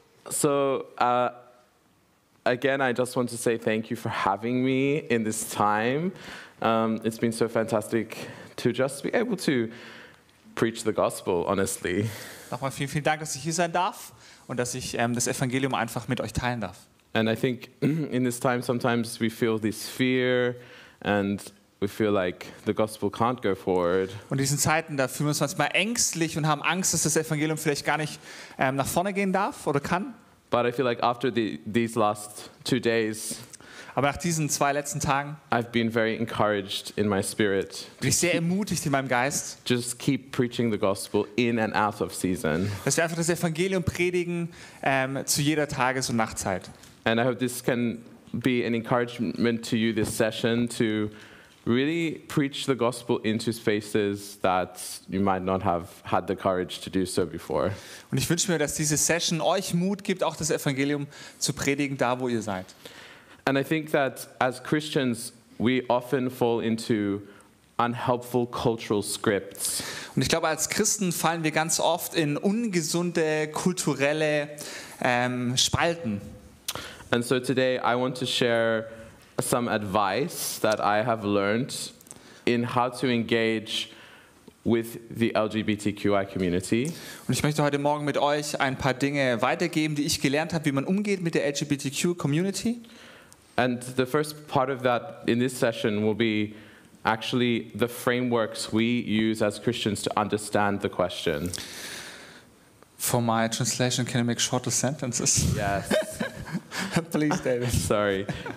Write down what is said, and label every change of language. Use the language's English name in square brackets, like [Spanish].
[English] So, again, I just want to say thank you for having me in this time. It's been so fantastic to just be able to preach the gospel, honestly. [German] Nochmal vielen, vielen Dank, dass ich hier sein darf und dass ich das Evangelium einfach mit euch teilen darf. [English] And I think in this time, sometimes we feel this fear and we feel like the gospel can't go forward. [German] Und in diesen Zeiten, da fühlen wir uns manchmal ängstlich und haben Angst, dass das Evangelium vielleicht gar nicht nach vorne gehen darf oder kann. [English] But I feel like after these last 2 days, [German] aber nach diesen zwei letzten Tagen, [English] I've been very encouraged in my spirit. [German] Bin ich sehr ermutigt in meinem Geist. [English] Just keep preaching the gospel in and out of season. [German] Dass wir einfach das Evangelium predigen zu jeder Tages- und Nachtzeit. [English] And I hope this can be an encouragement to you this session to really preach the gospel into spaces that you might not have had the courage to do so before. [German] Und ich wünsche mir, dass diese Session euch Mut gibt, auch das Evangelium zu predigen, da wo ihr seid. [English] And I think that as Christians, we often fall into unhelpful cultural scripts. [German] Und ich glaube, als Christen fallen wir ganz oft in ungesunde kulturelle Spalten. [English] And so today I want to share some advice that I have learned in how to engage with the LGBTQI community. [German] Und ich möchte heute Morgen mit euch ein paar Dinge weitergeben, die ich gelernt habe, wie man umgeht mit der LGBTQ community. [English] And the first part of that in this session will be actually the frameworks we use as Christians to understand the question. For my translation, can I make shorter sentences? Yes. Please, David. Sorry.